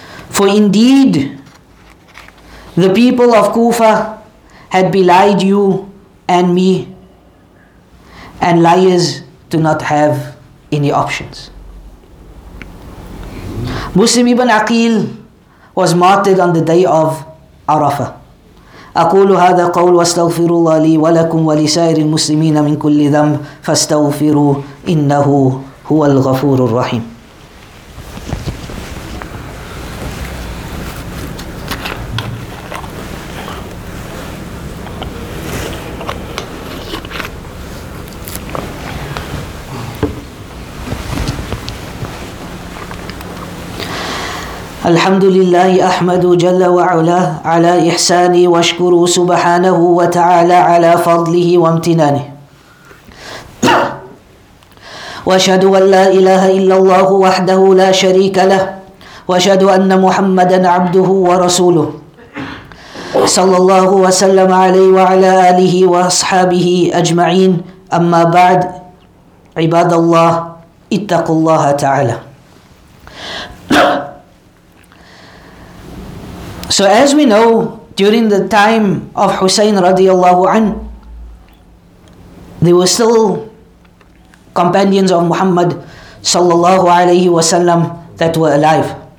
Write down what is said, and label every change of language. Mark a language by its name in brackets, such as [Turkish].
[English] For indeed, the people of Kufa had belied you and me, and liars do not have any options. Muslim ibn Aqil was martyred on the day of Arafah. [Arabic] أقول هذا قول واستغفر الله لي ولكم ولسائر المسلمين من كل ذنب فاستغفروه إنه هو الغفور الرحيم. الحمد لله أحمد جل وعلا على إحساني واشكره سبحانه وتعالى على فضله وامتنانه وأشهد أن لا إله إلا الله وحده لا شريك له وأشهد أن محمدا عبده ورسوله صلى الله وسلم عليه وعلى آله وأصحابه أجمعين أما بعد عباد الله اتقوا الله تعالى. [English] So as we know, during the time of Hussein radiallahu an, there were still companions of Muhammad sallallahu alayhi wasallam that were alive.